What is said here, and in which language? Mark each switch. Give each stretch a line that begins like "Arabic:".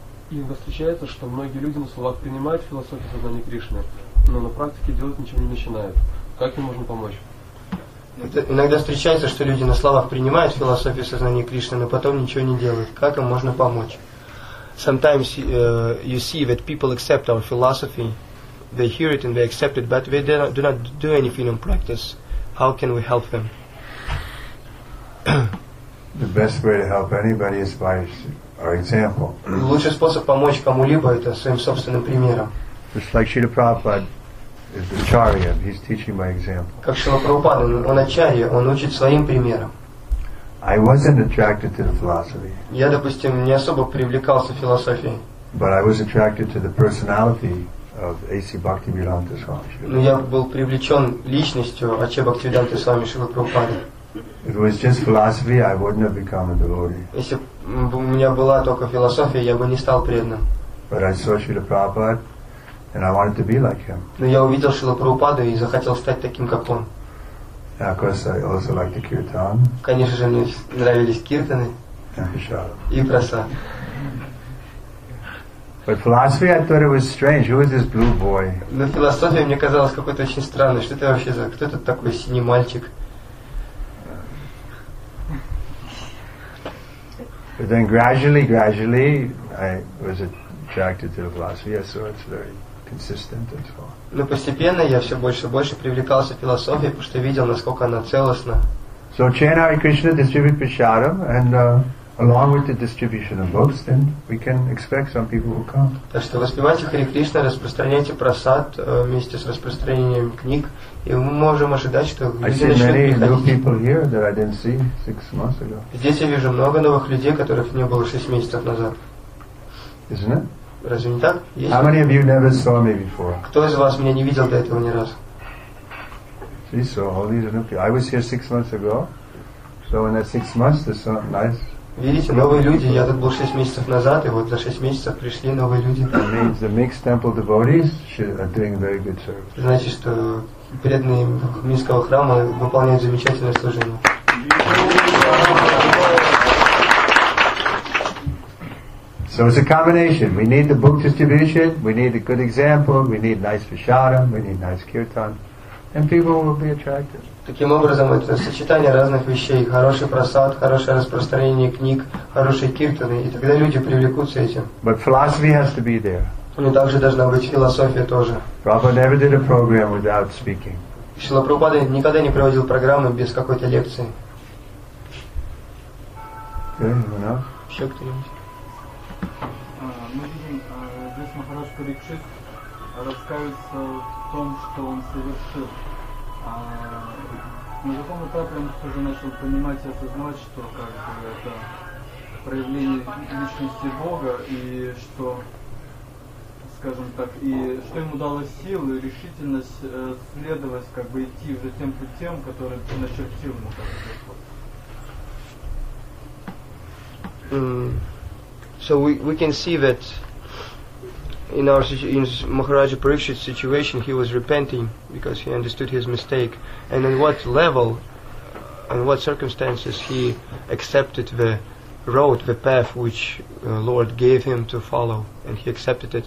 Russian: И встречается, что многие люди на словах принимают философию сознания Кришны, но на практике делать ничего не начинают. Как им можно помочь? Это иногда встречается, что люди на словах принимают философию сознания Кришны, но потом ничего не делают. Как им можно помочь?
English: Sometimes you see that people accept our philosophy, they hear it and they accept it, but they do not do anything in practice. How can we help them? The best way to help anybody is by our example.
Russian: Лучший способ помочь кому-либо это своим собственным примером.
English: Just like Srila Prabhupada is the acharya, he's teaching by example.
Russian: Как Шрила Прабхупада, он ачарья, он учит своим примером.
English: I wasn't attracted to the philosophy.
Russian: Я, допустим, не особо привлекался философией.
English: But I was attracted to the personality of A.C. Bhaktivedanta Swami.
Russian: Но я был привлечен личностью Ача Бхактивиданты Свами Шрила Прабхупады.
English: It was just philosophy, I wouldn't have become a devotee.
Russian: Если бы у меня была только философия, я бы не стал преданным.
English: But I saw Srila Prabhupada, and I wanted to be like him.
Russian: Но я увидел Шрилу Прабхупаду и захотел стать таким, как он.
English: And of course, I also liked the kirtan.
Russian: Конечно же, мне нравились киртаны. И прасад.
English: But philosophy, I thought it was strange. Who is this blue boy?
Russian: Но философия мне казалась какой-то очень странной. Что это вообще за... Кто это такой синий мальчик?
English: But then gradually, I was attracted to the philosophy, yeah, so it's very consistent and so on.
Russian: Но постепенно я все больше и больше привлекался к философии, потому что видел, насколько она целостна.
English: So chant Hare Krishna, distribute prasadam, and along with the distribution of books, then we can expect some people will come.
Russian: Так что воспевайте Хари Кришна, распространяйте прасад вместе с распространением книг, и мы можем ожидать, что люди начнут приходить.
English: I see many new people here that I didn't see 6 months ago.
Russian: Здесь я вижу много новых людей, которых не было 6 месяцев назад.
English: Isn't it?
Russian: Разве не так? Есть?
English: How many of you never saw me before?
Russian: Кто из вас меня не видел до этого ни разу?
English: See, so all these new people. I was here 6 months ago. So in that 6 months, there's some nice.
Russian: Видите, новые люди. Я тут был 6 месяцев назад, и вот за 6 месяцев пришли новые люди.
English: That means the mixed temple devotees are doing very good service.
Russian: Значит, что преданные Минского храма выполняют замечательное служение.
English: So it's a combination. We need the book distribution, we need a good example, we need nice prasadam, we need nice kirtan, and people will be attracted.
Russian: Таким образом, это сочетание разных вещей. Хороший прасад, хорошее распространение книг, хорошие киртаны, и тогда люди привлекутся этим.
English: But philosophy has to be there.
Russian: Но также должна быть философия тоже.
English: Prabhupada never did a program without speaking.
Russian: Шрила Прабхупада никогда не проводил программы без какой-то лекции.
English: Okay, enough.
Russian: Еще кто-нибудь? Мы видим, здесь Махарадж Парикшит раскаивается в том, что он совершил. На каком этапе он уже начал понимать и осознавать, что как бы это проявление личности Бога, и что, скажем так, и что ему дало силу и решительность следовать, как бы идти уже тем путем, который ты начертил ему, как бы.
English: So we can see that in our Maharaja Parikshit's situation, he was repenting because he understood his mistake. And at what level, in what circumstances, he accepted the road, the path which Lord gave him to follow, and he accepted it.